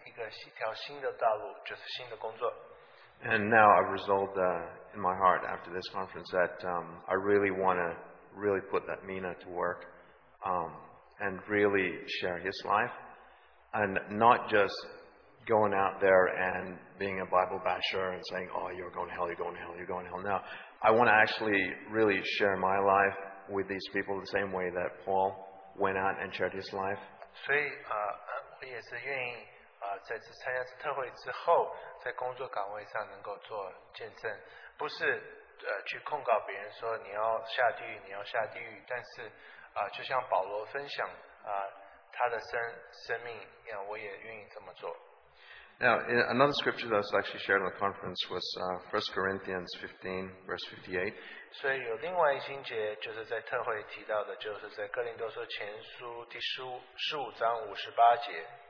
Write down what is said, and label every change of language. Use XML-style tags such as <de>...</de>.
<zh>前几周，他为我开了一条新的道路，就是新的工作。</zh> <en>And now I've resolved in my heart after this conference that I really want to really put that Mina to work and really share his life and not just. Going out there and being a Bible basher and saying, oh, you're going to hell, you're going to hell, you're going to hell. No, I want to actually really share my life with these people the same way that Paul went out and shared his life.</en> <zh>所以我也是愿意在这参加特会之后在工作岗位上能够做见证。不是去控告别人说你要下地狱,你要下地狱,但是就像保罗分享他的生命,我也愿意这么做。</zh> <en>Now, another scripture that was actually shared in the conference was 1 Corinthians 15, verse 58.</en> <zh>所以有另外一经节就是在特会提到的，就是在哥林多书前书第十五章五十八节。</zh>